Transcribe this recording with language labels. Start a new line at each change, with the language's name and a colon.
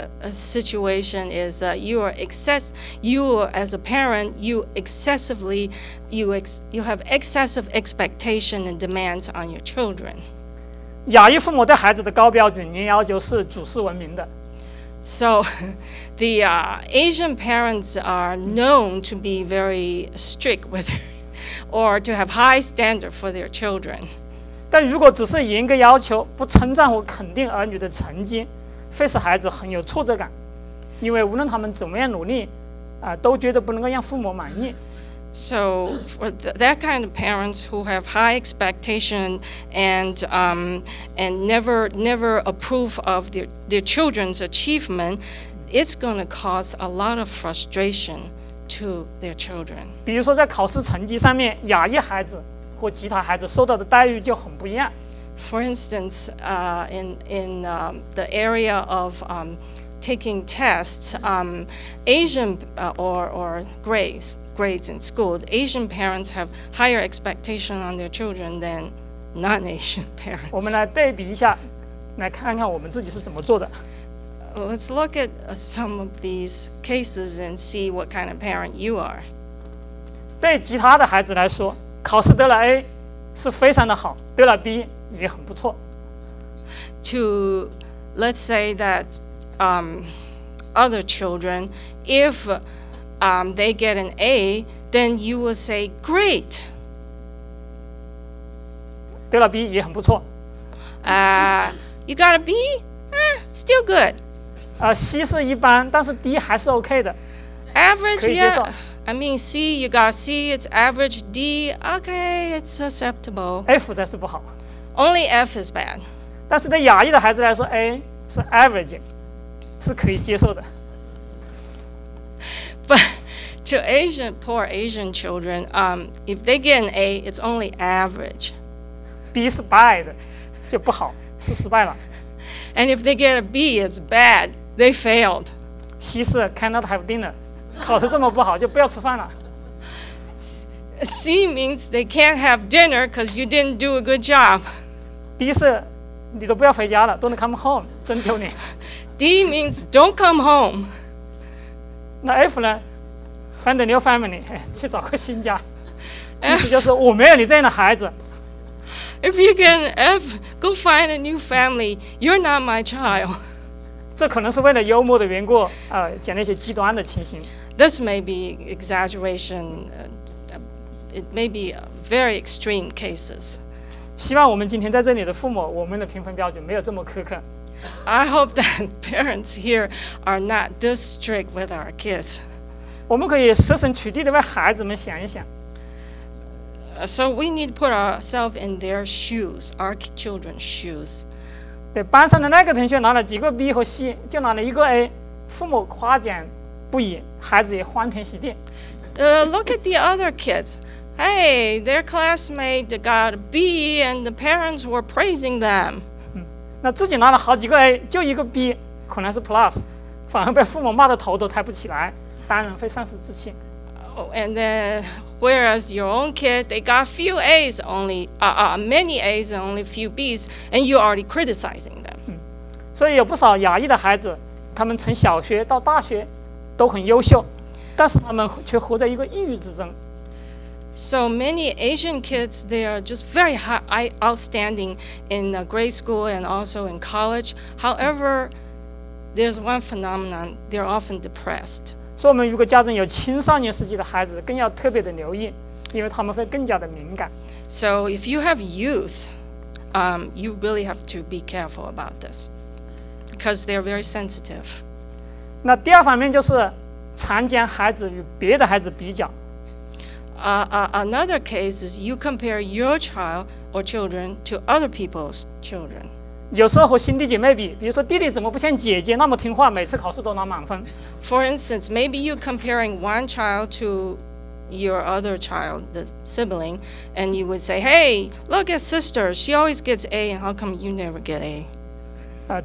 English: Situation is that you have excessive expectation and demands on your children.
Chinese: 亚裔父母对孩子的高标准，您要求是主事文明的。
English: So, the Asian parents are known to be very strict with, or to have high standard for their children.
Chinese: 但如果只是严格要求，不称赞或肯定儿女的成绩，会使孩子很有挫折感，因为无论他们怎么样努力，都觉得不能够让父母满意。
English: So for that kind of parents who have high expectation and never approve of their children's achievement, it's going to cause a lot of frustration to their children.
Chinese: 比如说在考试成绩上面，亚裔孩子。或其他孩子受到的待遇就很不一样。
English: For instance, the area of taking tests, Asian or grades in school, Asian parents have higher expectation on their children than non-Asian parents.
Chinese: 我们来对比一下，来看看我们自己是怎么做的。
English: Let's look at some of these cases and see what kind of parent you are.
Chinese: 对其他的孩子来说。考试得了 A 是非常的好，得了 B 也很不错。
English: To let's say that other children, if they get an A, then you will say great.
Chinese: 得了 B 也很不错。
English: You got a B? still good.
Chinese: C 是一般，但是 D 还是 OK 的。
English: Average, yeah. I mean, C, you got C, it's average. D, okay, it's acceptable.
Chinese: F 才是不好。
English: Only F is bad.
Chinese: 但是对亚裔的孩子来说 ，A 是 average， 是可以接受的。
English: But to Asian, poor Asian children, if they get an A, it's only average.
Chinese: B 是 bad， 就不好，是失败了。
English: And if they get a B, it's bad. They failed. C 是 cannot have dinner.
Chinese: 考试这么不好，就不要吃饭了。
English: C means they can't have dinner because you didn't do a good job.
Chinese: D 是你都不要回家了，都能
English: come home，
Chinese: 真丢脸。
English: D means don't come home.
Chinese: 那 F 呢？
English: Find a new family，
Chinese: 去找个新家。 F 就是我没有你这样的孩子。
English: If you get an F, go find a new family. You're not my child.
Chinese: 这可能是为了幽默的缘故，讲那些极端的情形。
English: This may be exaggeration. It may be very extreme cases.
Chinese: 希望我们今天在这里的父母，我们的评分标准没有这么苛刻。
English: I hope that parents here are not this strict with our kids.
Chinese: 我们可以设身处地地为孩子们想一想。
English: So we need to put ourselves in their shoes, our children's shoes.
Chinese: 对，班上的那个同学拿了几个 B 和 C， 就拿了一个 A， 父母夸奖不已，孩子也欢天喜地。
English: Look at the other kids. Hey, their classmate got a B, and the parents were praising them.
Chinese: 那自己拿了好几个 A， 就一个 B， 可能是 plus， 反而被父母骂得头都抬不起来，当然会丧失志气。
English: Oh, and then, whereas your own kid, they got few A's only, many A's and only few B's, and you're already criticizing them.
Chinese: 所以有不少亚裔的孩子，他们从小学到大学都很优秀，但是他们却活在一个抑郁之中。
English: So many Asian kids, they are just very high, outstanding in grade school and also in college. However, there's one phenomenon, they're often depressed.
Chinese: 所以我们如果家中有青少年时期的孩子，更要特别的留意，因为他们会更加的敏感。
English: So if you have youth, you really have to be careful about this, because they are very sensitive.
Chinese: 那第二方面就是常将孩子与别的孩子比较。
English: Another case is you compare your child or children to other people's children.
Chinese: 有时候和兄弟姐妹比，比如说弟弟怎么不像姐姐那么听话，每次考试都拿满分。
English: For instance, maybe you're comparing one child to your other child, the sibling, and you would say, "Hey, look at sister. She always gets A, and how come you never get A?"